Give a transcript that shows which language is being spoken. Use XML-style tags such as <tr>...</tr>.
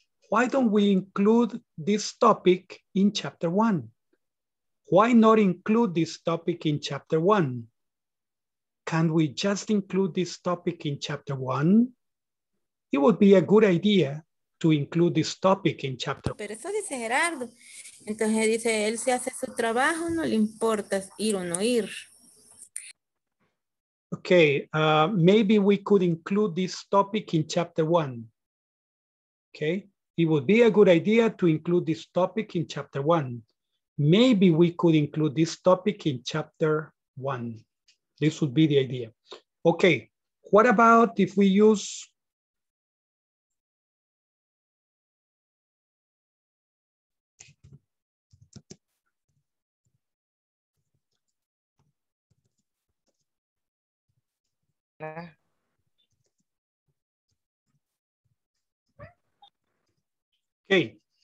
<en>Why don't we include this topic in chapter one? Why not include this topic in chapter one? Can we just include this topic in chapter one? It would be a good idea to include this topic in chapter.</en> <es>Pero eso dice Gerardo. Entonces dice, él si hace su trabajo, no le importa ir o no ir.</es> <en>Okay, maybe we could include this topic in chapter one. Okay, it would be a good idea to include this topic in chapter one. Maybe we could include this topic in chapter one. This would be the idea. Okay, what about if we use okay.</en>